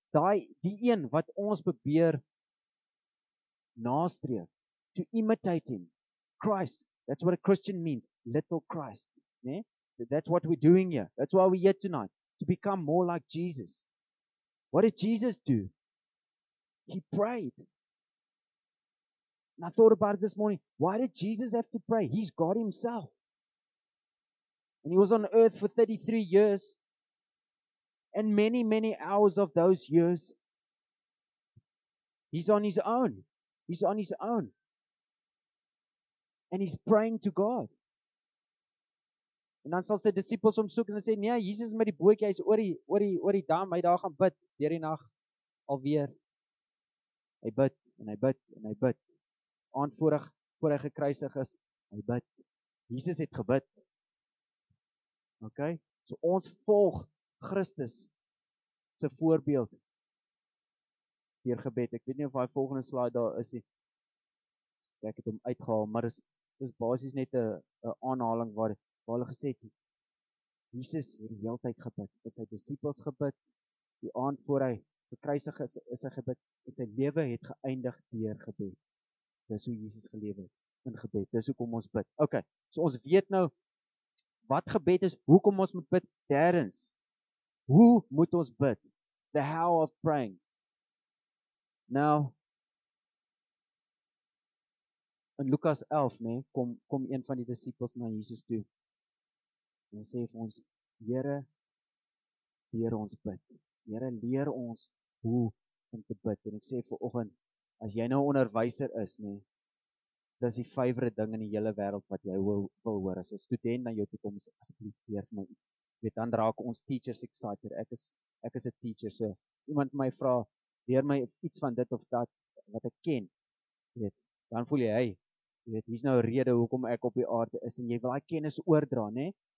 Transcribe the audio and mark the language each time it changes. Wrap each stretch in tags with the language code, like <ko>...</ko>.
<af>Die een wat ons probeer nastreef,</af> <en>to imitate him, Christ. That's what a Christian means, little Christ. Yeah? That's what we're doing here. That's why we're here tonight, to become more like Jesus. What did Jesus do? He prayed. And I thought about it this morning. Why did Jesus have to pray? He's God himself. And he was on earth for 33 years. And many, many hours of those years, he's on his own. He's on his own. And he's praying to God.</en> <af>En dan sal sy disippels hom soek en sê, nee, Jesus is met die bootjie, hy is oor die dam, hy daar gaan bid, deur die nag, alweer. Hy bid, en hy bid, en hy bid. Aand voor hy gekruisig is, hy bid. Jesus het gebid. Ok, so ons volg Christus se voorbeeld deur gebed. Ek weet nie of hy volgende slide daar is nie. Ek het hom uitgehaal, maar dis basies net 'n aanhaling waar hulle gesê het, Jesus het die hele tyd gebid, is sy disippels gebid, die aand voor hy gekruisig is hy gebid, en sy lewe het geëindig deur gebed. Dis hoe Jesus geleef het, in gebed, dis hoekom ons bid. Ok, so ons weet nou, wat gebed is, hoekom ons moet bid, derens, hoe moet ons bid,</af> <en>the how of praying.</en> <af>Nou, in Lukas 11, nee, kom een van die disippels na Jesus toe. En sê vir ons, Here, leer ons bid. Here, leer ons hoe om te bid. En ek sê vir oggend, as jy nou onderwyser is, nee, dis die favorite ding in die hele wêreld wat jy wil hoor. As 'n student na jou toe kom, asseblief leer my iets. Weet, dan raak ons teachers excited. Ek is 'n teacher, so as iemand my vra, leer my iets van dit of dat wat ek ken, weet, dan voel jy, hey, jy weet, hier is nou 'n rede hoekom ek op die aarde is, en jy wil daai kennis oordra, né?</af>